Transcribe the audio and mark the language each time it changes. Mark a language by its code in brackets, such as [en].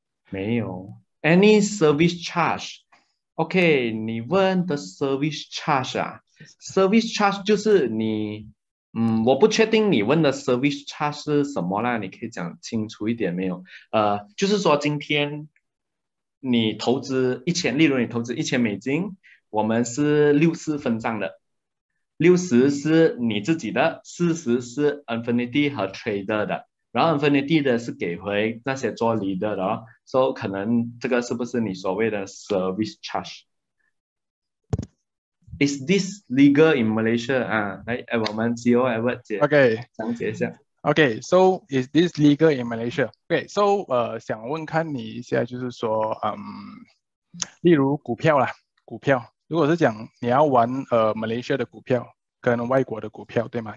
[zh] 没有， [en] any service charge？ [zh] OK，你问的 service charge 啊，service charge 就是你，我不确定你问的 service charge 是什么啦，你可以讲清楚一点没有？就是说今天你投资一千，例如你投资1000美金，我们是60%的，60是你自己的，40是 Infinity 和 Trader 的，然后 Infinity 的是给回那些做 leader 的哦。 So 可能这个是不是你所谓的 service charge？ [en] Is this legal in Malaysia？ [zh] 来，我们 CEO Edward 姐 OK，OK，So 讲解一下。 [en] is this legal in Malaysia？ [zh] OK，So 想问看你一下，就是说，例如股票啦，股票，如果是讲你要玩Malaysia 的股票跟外国的股票，对吗？